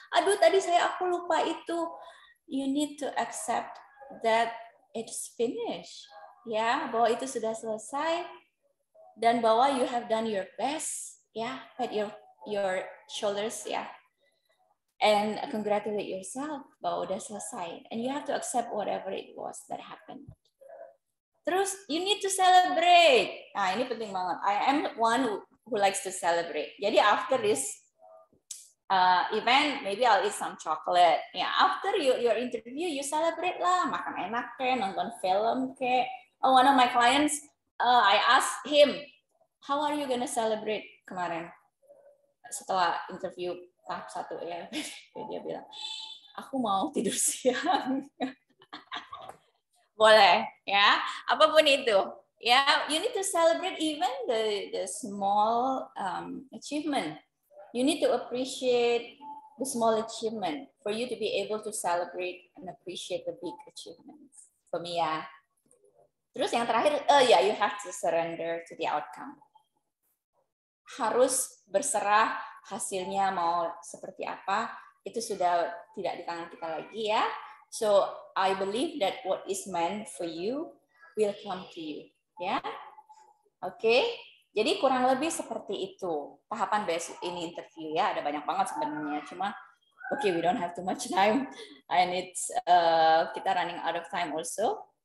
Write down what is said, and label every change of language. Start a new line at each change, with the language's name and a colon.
Indonesian: Aduh, tadi saya aku lupa itu.
English: You need to accept that it's finished.
Indonesian: Ya, bahwa itu sudah selesai. Dan bahwa
English: you have done your best, yeah, at your shoulders, yeah. and congratulate yourself
Indonesian: bahwa udah selesai.
English: And you have to accept whatever it was that happened.
Indonesian: Terus,
English: you need to celebrate.
Indonesian: Nah, ini penting banget.
English: I am one who likes to celebrate.
Indonesian: Jadi,
English: after this event, maybe I'll eat some chocolate. Yeah, after your interview, you celebrate lah.
Indonesian: Makan enak ke, nonton film ke.
English: Oh, one of my clients, I asked him, how are you gonna celebrate
Indonesian: kemarin? Setelah interview tahap satu ya. Dia bilang, aku mau tidur siang. Boleh, ya. Apapun itu, ya.
English: You need to celebrate even the small achievement. You need to appreciate the small achievement for you to be able to celebrate and appreciate the big achievements. For me, ya.
Indonesian: Terus yang terakhir,
English: you have to surrender to the outcome.
Indonesian: Harus berserah hasilnya mau seperti apa, itu sudah tidak di tangan kita lagi, ya.
English: So I believe that what is meant for you will come to you, ya. Yeah? Okay.
Indonesian: Jadi kurang lebih seperti itu tahapan besok ini interview, ya. Ada banyak banget sebenarnya, cuma
English: okay, we don't have too much time and it's
Indonesian: kita
English: running out of time also.